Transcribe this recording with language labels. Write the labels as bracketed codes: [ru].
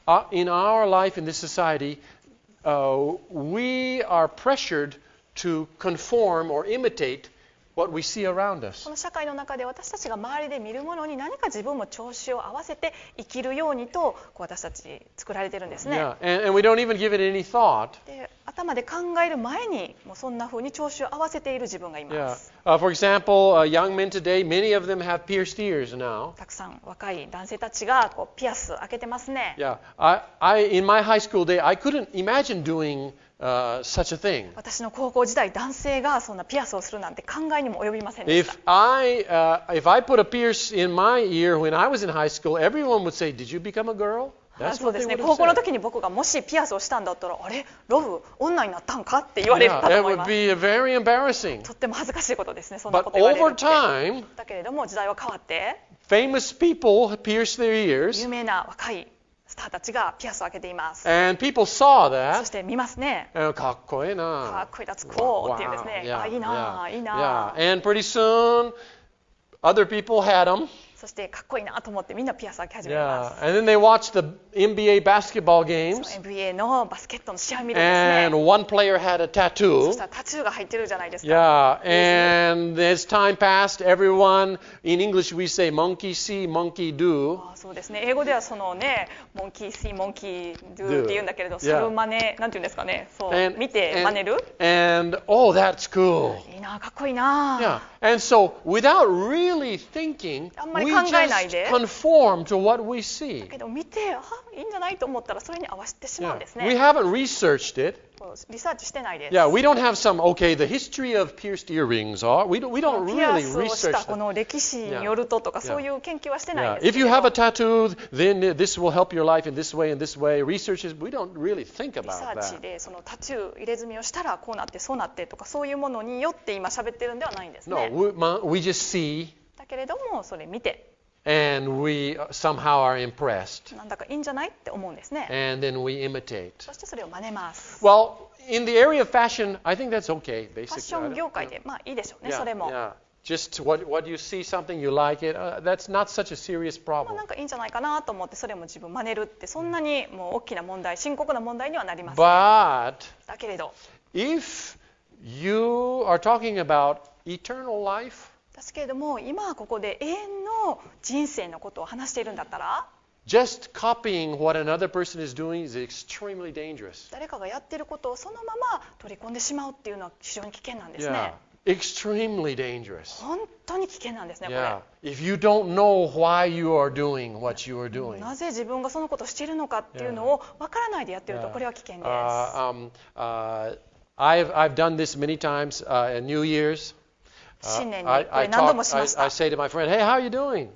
[en] In our life, in this society, we are pressured to conform or imitate what we see around us. [ja] この社会の中で私たちが周りで見るものに何か自分も調子を合わせて生きるようにと私たち作られているんですね。 [en] Yeah. And we don't even give it any thought. [ja] で、頭で考える前にもうそんな風に調子を合わせている自分がいます。 [en] Yeah. For example, young men today, many of them have pierced ears now. [ja] たくさん若い男性たちがこうピアス開けてますね。 [en] Yeah. In my high school day, I couldn't imagine doingsuch a thing. [ja] 私の高校時代、男性がそんなピアスをするなんて考えにも及びませんでした。 [en] If I put a pierce in my ear when I was in high school, everyone would say, "Did you become a girl?" That's what they would say. [ja] 高校の時に僕がもしピアスをしたんだったら、あれ、ロブ、女になったんかって言われたと思います。 [en] Yeah, that would be a very embarrassing. [ja] とっても恥ずかしいことですね、そんなこと言われるって。 [en] But over time, [ja] だけれども時代は変わって、 [en] famous people pierce their ears. [ja] 有名な若いスターたちがピアスを開けています。 [en] And people saw that. [ja] そして見ますね。かっこいいな。かっこいい、 [en] that's cool [ja] っていうんですね。 [en] Yeah, [ja] あ、いいな、 [en] yeah. [ja] いいな。 [en] Yeah. And pretty soon, other people had them. [ja] そしてかっこいいなと思ってみんなピアス開け始めます。 [en] Yeah. And then they watched the NBA basketball games. [ja] NBA のバスケットの試合見るんですね。 [en] And one player had a tattoo. [ja] そしたらタトゥーが入ってるじゃないですか。 [en] Yeah. And as time passed, everyone, in English we say monkey see, monkey do. [ja] そうですね、英語ではそのね、モンキーシーモンキードゥーって言うんだけれど、それを真似、 [en] yeah. [ja] なんて言うんですかね、そう、and, 見て真似る。 [en] And, oh, that's cool. [ja] いいな、かっこいいな。 [en] Yeah. And so, without really thinking, [ja] あんまり考えないで、 [en] we just conform to what we see. [ja] だけど見て、あ、いいんじゃないと思ったらそれに合わせてしまうんですね。 [en] Yeah. We haven't researched it. [ja] リサーチしてないです。 [en] Yeah, we don't have some, okay, the history of pierced earrings are, we don't really research that. [ja] ピアスをしたこの歴史によるととか、yeah. そういう研究はしてないです。 [en] Yeah. If you have a tattoo, then this will help your life in this way, in this way. Research is, we don't really think about that. [ja] リサーチでそのタトゥー入れ墨をしたらこうなってそうなってとか、そういうものによって今喋ってるんではないんですね。 [en] No, we just see. [ja] だけれどもそれ見て。 [en] And we somehow are impressed. [ja] なんだかいいんじゃないって思うんですね。 [en] And then we imitate. [ja] そしてそれを真似ます。 [en] Well, in the area of fashion, I think that's okay, basically. [ja] ファッション業界で、まあいいでしょうね、 [en] yeah, [ja] それも。 [en] Yeah. Just what you see something you like it, that's not such a serious problem. [ja] まあなんかいいんじゃないかなと思って、それも自分真似るってそんなにもう大きな問題、深刻な問題にはなりません。 [en] But, [ja] だけれど、 [en] if you are talking about eternal life, [ja] ですけれども、今ここで永遠の人生のことを話しているんだったら、 [en] Just copying what another person is doing is extremely dangerous. [ja] 誰かがやっていることをそのまま取り込んでしまうっていうのは非常に危険なんですね。 [en] Yeah. Extremely dangerous. [ja] 本当に危険なんですね、これ。 [en] Yeah. If you don't know why you are doing what you are doing. [ja] なぜ自分がそのことをしているのかっていうのを分からないでやっていると、これは危険です。 [en] Yeah. I've done this many times in New Year's. I say to my friend, hey, how are you doing?